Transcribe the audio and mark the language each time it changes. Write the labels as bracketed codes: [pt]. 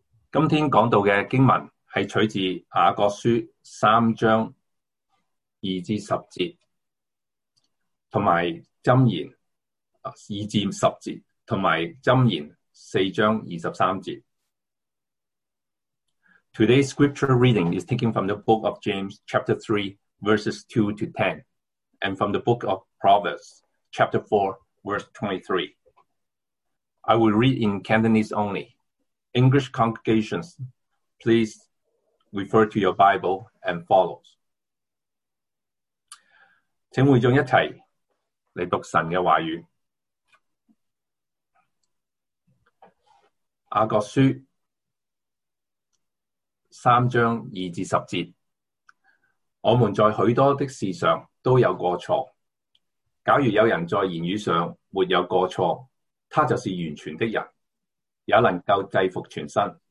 [yue] 今天讲到的经文是取自雅各书三章二至十节，同埋箴言二至十节，同埋箴言四章二十三节。 [en] Today's scripture reading is taken from the book of James, chapter 3, verses 2 to 10, and from the book of Proverbs, chapter 4, verse 23. I will read in Cantonese only. English congregations, please refer to your Bible and follow. [yue] 请会众一起来读神的话语。雅各书三章二至十节，我们在许多的事上都有过错，假如有人在言语上没有过错，他就是完全的人，也能够制服全身。